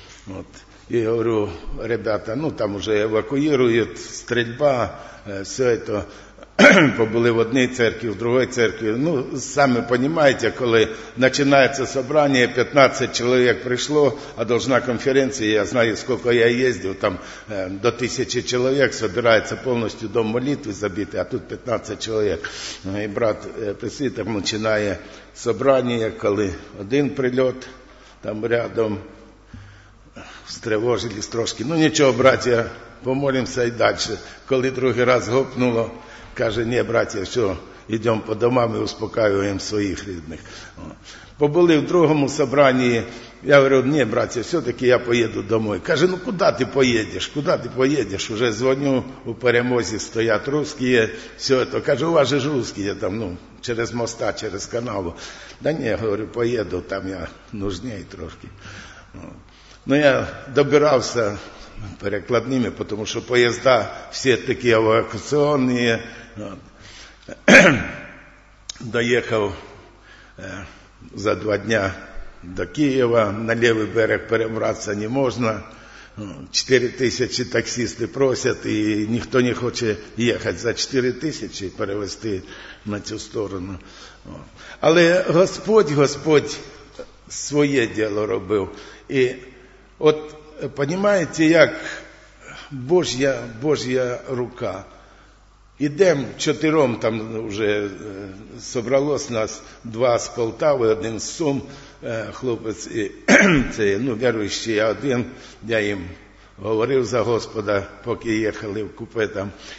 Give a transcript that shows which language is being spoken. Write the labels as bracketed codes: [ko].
[ru] вот, и говорю, ребята, ну, там уже эвакуируют, стрельба, все это, побыли в одной церкви, в другой церкви, ну, сами понимаете, когда начинается собрание, 15 человек пришло, а должна конференция, я знаю, сколько я ездил, там до 1000 человек собирается полностью, дом молитвы забитый, а тут 15 человек, и брат пресвитер начинает собрание, когда один прилет там рядом, встревожились трошки, ну, ничего, братья, помолимся и дальше, [uk] когда другий раз гопнуло, каже, ні, братья, що, йдемо по домам і успокаюємо своїх рідних. Побули в другому собранні, я говорю, ні, братья, все-таки я поїду домой. Каже, ну куди ти поїдеш? Уже дзвоню, у перемозі стоять русські, все це. Каже, у вас же русські, я там, ну, через моста, через канал. Да ні, говорю, поїду, там я нужней трошки. Ну, я добирався перекладними, [ru] потому что поезда все такие эвакуационные. Доехал за два дня до Киева, на левый берег перебраться не можно. 4000 таксисты просят, и никто не хочет ехать за 4000 перевезти на ту сторону. [uk] Але Господь своє дело робив. [ru] И от понимаете, как Божья рука. Идем четвером, там уже собралось нас два с Полтавы, один с Сум, хлопец, и, ну, верующий я один, я им говорил за Господа, пока ехали в купе там.